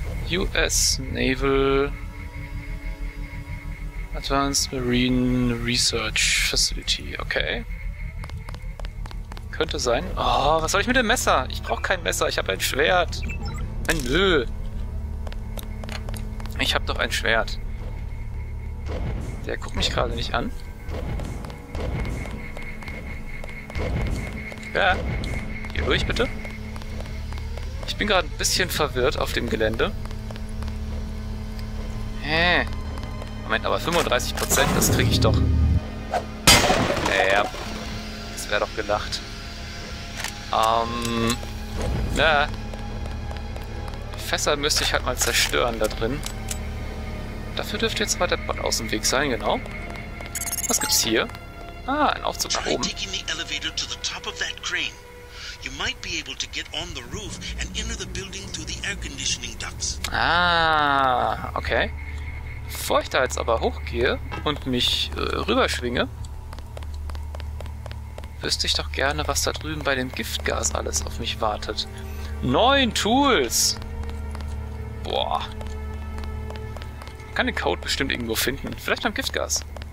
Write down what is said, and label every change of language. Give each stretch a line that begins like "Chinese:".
English: US Naval Advanced Marine Research Facility.
German: Okay. Könnte sein. Oh, was soll ich mit dem Messer? Ich brauche kein Messer. Ich habe ein Schwert. Nein, nö. Ich habe doch ein Schwert. Der guckt mich gerade nicht an. Ja, hier durch bitte. Ich bin gerade ein bisschen verwirrt auf dem Gelände. Hä? Moment, aber 35%, das kriege ich doch. Ja, das wäre doch gelacht. Na. Ja. Die Fässer müsste ich halt mal zerstören da drin. Dafür dürfte jetzt aber der Bot aus dem Weg sein, genau. Was gibt's hier? Ah, ein Aufzug nach oben.
English: Digging the elevator to the top of that crane. You might be able to get on the roof and enter the building through the air conditioning ducts.
German: Ah, okay. Bevor ich da jetzt aber hochgehe und mich rüberschwinge, wüsste ich doch gerne, was da drüben bei dem Giftgas alles auf mich wartet. 9 Tools! Boah. Man kann den Code bestimmt irgendwo finden. Vielleicht beim Giftgas.